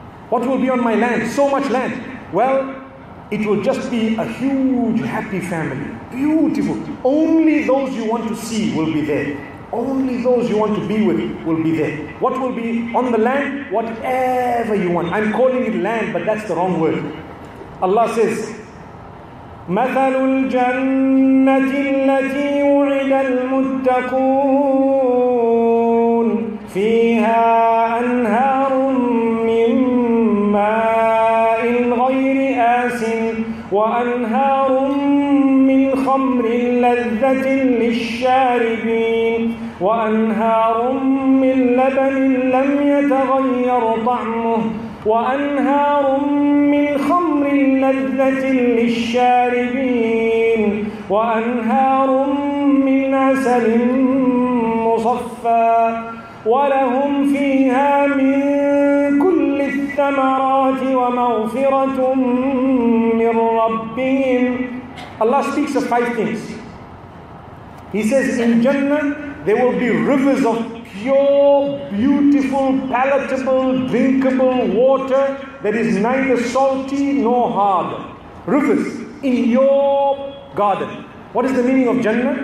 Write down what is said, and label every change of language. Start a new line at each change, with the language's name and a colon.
English: What will be on my land? So much land. Well, it will just be a huge, happy family. Beautiful. Only those you want to see will be there. Only those you want to be with will be there. What will be on the land? Whatever you want. I'm calling it land, but that's the wrong word. Allah says,
Arabic: مثل الجنة التي وعد المتقون فيها أنهار من ماء غير آسن وأنهار من خمر لذة للشاربين وأنهار من لبن لم يتغير طعمه وأنهار من خمر لذة للشاربين وأنهار من عسل مصفى ولهم فيها من كل الثمرات ومغفرة من ربهم.
English: Allah speaks of five things. He says, in Jannah there will be rivers of pure, beautiful, palatable, drinkable water that is neither salty nor hard. Rivers in your garden. What is the meaning of Jannah?